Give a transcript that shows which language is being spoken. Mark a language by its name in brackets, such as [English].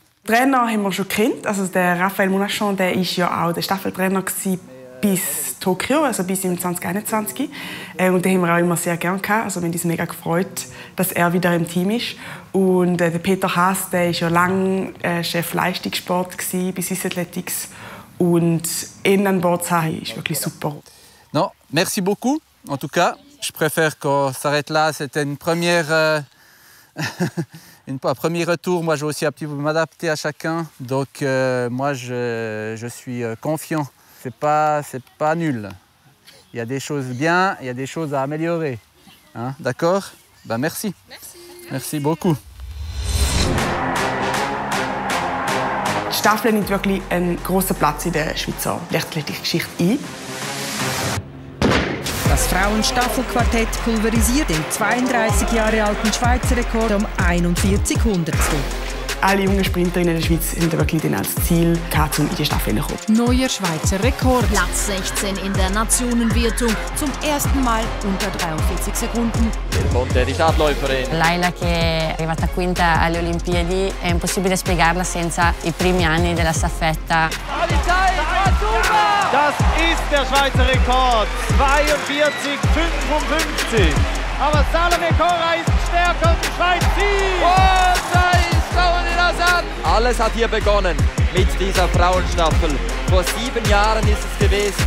[German] Trainer haben wir schon gekannt. Also der Raphael Monachon, der ist ja auch der Staffeltrainer gsi bis Tokio, also bis im 2021. Und den haben wir auch immer sehr gern gehabt. Also wir haben uns mega gefreut, dass er wieder im Team ist. Und der Peter Haas, der ist ja lang Chef Leistungssport gsi bei Swiss Athletics. Und ihn an Bord zu haben, ist wirklich super. [French] No, merci beaucoup. En tout cas, je préfère qu'on s'arrête là. C'était une première. un premier retour. Moi, je vais aussi un petit peu m'adapter à chacun. Donc, moi, je suis confiant. C'est pas nul. Il y a des choses bien, il y a des choses à améliorer. Hein? D'accord? Ben, merci. Merci. Merci beaucoup. [German] Die Staffel nimmt wirklich einen grossen Platz in der Schweizer Leichtathletik-Geschichte ein. Das Frauenstaffelquartett pulverisiert den 32 Jahre alten Schweizer Rekord um 41 Hundertstel. Alle jungen Sprinterinnen in der Schweiz haben wirklich dann als Ziel, um in die Staffel zu kommen. Neuer Schweizer Rekord. Platz 16 in der Nationenwertung. Zum ersten Mal unter 43 Sekunden. Ponte di Startläuferin. [Italian] Laila, che è arrivata quinta alle Olimpiadi, è impossibile spiegarla senza i primi anni della staffetta. [German] Das ist der Schweizer Rekord. 42,55. Aber Salome Cora ist stärker als die Schweiz. Und da ist Saoli Lazan. Alles hat hier begonnen mit dieser Frauenstaffel. Vor 7 Jahren ist es gewesen.